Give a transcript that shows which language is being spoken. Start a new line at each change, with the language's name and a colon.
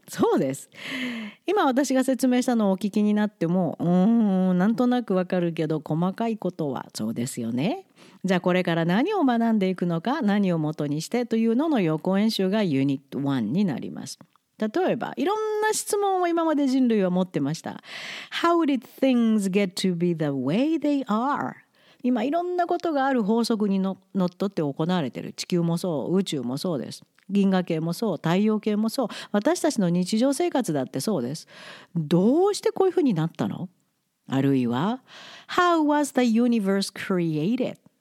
Japanese: そうです、今私が説明したのをお聞きになっても、なんとなく分かるけど細かいことは、そうですよね。じゃあこれから何を学んでいくのか、何を元にしてというのの予行演習がユニット1になります。例えばいろんな質問を今まで人類は持ってました。
English: How did things get to be the way they are?
Japanese: 今いろんなことがある法則にのっとって行われている、地球もそう、宇宙もそうです、銀河系もそう、太陽系もそう、私たちの日常生活だってそうです。どうしてこういうふうになったの。あるいは
English: How was the universe created?